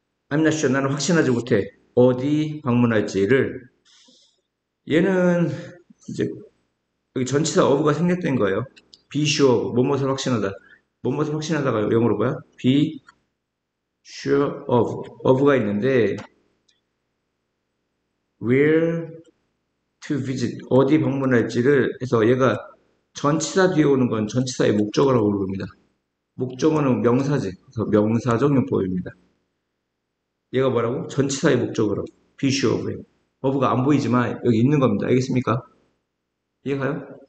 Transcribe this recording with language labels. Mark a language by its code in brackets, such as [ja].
[en] I'm not sure. [ko] 나는 확신하지 못해. 어디 방문할지를. 얘는 이제 여기 전치사 of가 생략된 거예요. [en] Be sure of. [ko] 뭐뭐를 확신하다. 뭐뭐를 확신하다가 영어로 뭐야? [en] Be sure of. [ko] of가 있는데 [en] where to visit. [ko] 어디 방문할지를 해서 얘가 전치사 뒤에 오는 건 전치사의 목적어라고 부릅니다. 목적어는 명사지. 그래서 명사전용법입니다. 얘가 뭐라고? 전치사의 목적으로. [en] Be sure of. [ko] of가 안 보이지만 여기 있는 겁니다. 알겠습니까? 이해가요?